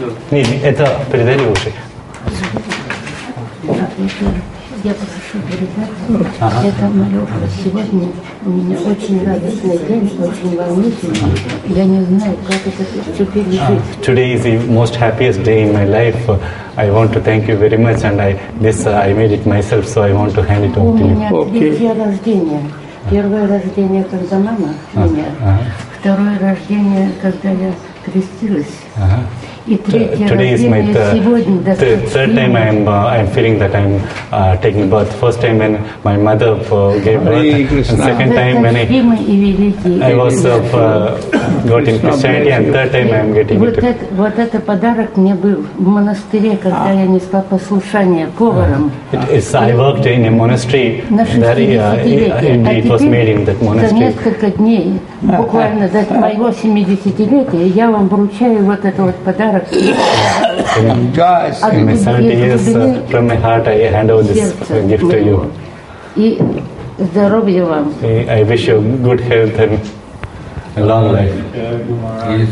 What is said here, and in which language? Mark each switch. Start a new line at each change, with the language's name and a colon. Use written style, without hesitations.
Russian: Не, это передали уши. Я попрошу передать. Это Малёха. Сегодня у меня очень радостный день, очень волнительный. Я не знаю, как это все пережить.
English: Today is the most happiest day in my life. I want to thank you very much, and I made it myself, so I want to hand it on to you.
Russian: У меня третье рождение. Первое рождение, когда мама меня. Второе рождение, когда я крестилась.
English: Today is my third time I'm feeling that I'm taking birth. First time when my mother gave birth, and second time when I was got in Christianity, and third time I'm getting it.
Russian: Вот это подарок мне был в монастыре, когда я несла послушание поварам.
English: I worked in a monastery. It was made in that monastery.
Russian: За несколько дней, буквально до моего 70-летия, я вам вручаю вот этот вот подарок.
English: In my 70 years, from my heart, I hand over this gift to you.
Russian: И здоровья вам.
English: I wish you good health and a long life.